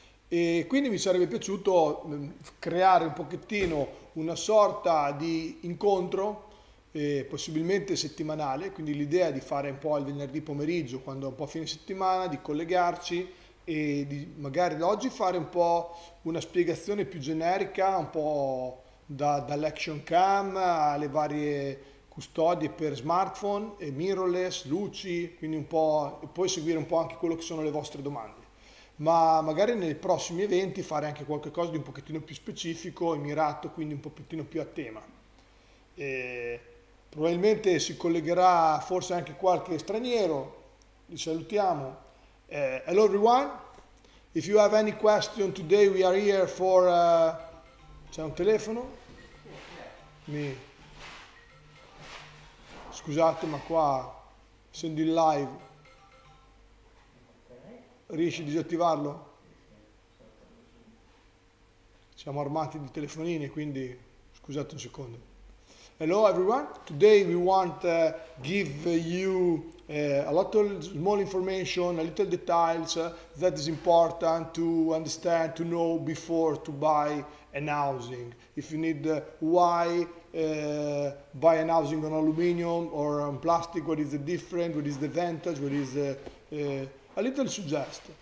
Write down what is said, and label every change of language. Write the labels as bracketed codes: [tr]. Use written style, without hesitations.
[it] E quindi mi sarebbe piaciuto creare un pochettino una sorta di incontro, possibilmente settimanale, quindi l'idea di fare un po' il venerdì pomeriggio, quando è un po' fine settimana, di collegarci e di magari da oggi fare un po' una spiegazione più generica, un po' dall'action cam alle varie custodie per smartphone e mirrorless, luci, quindi un po', e poi seguire un po' anche quello che sono le vostre domande. Ma magari nei prossimi eventi fare anche qualcosa di un pochettino più specifico e mirato, quindi un pochettino più a tema. E probabilmente si collegherà forse anche qualche straniero. Li salutiamo. [en] Hello everyone. If you have any question today, we are here for... [it] C'è un telefono? Scusate, ma qua, essendo in live, riesci a disattivarlo? Siamo armati di telefonini, quindi scusate un secondo. [en] Hello everyone, today we want to give you a lot of small information, a little details that is important to understand, to know before to buy an housing. If you need why buy an housing on aluminium or on plastic, what is the difference, what is the advantage, what is a little suggest.